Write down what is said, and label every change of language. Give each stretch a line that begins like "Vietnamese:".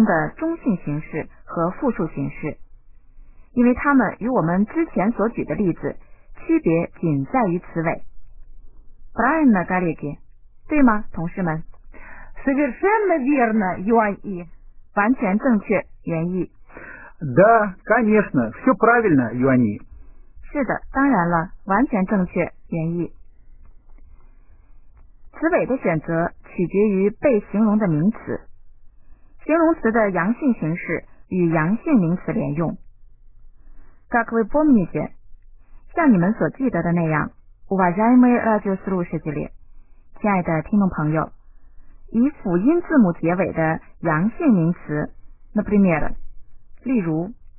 Chinese: 我们不再花费更多的时间举例形容词中的中性形式和复数形式, 因为它们与我们之前所举的例子区别仅在于词尾。
Russian: Правильно, коллеги?
Chinese: 对吗, 同事们?
Russian: Совершенно верно, Юань И.
Chinese: 完全正确, Юань И.
Russian: Да, конечно, все правильно, Юань И.
Chinese: 是的,当然了, 完全正确, Юань И. 词尾的选择取决于被形容的名词, 形容词的阳性形式与阳性名词连用。
Russian: Как вы помните,
Chinese: 像你们所记得的那样,
Russian: Уважаемые радиослушатели,
Chinese: 亲爱的听众朋友, 以辅音字母结尾的阳性名词,
Russian: например,
Chinese: 例如,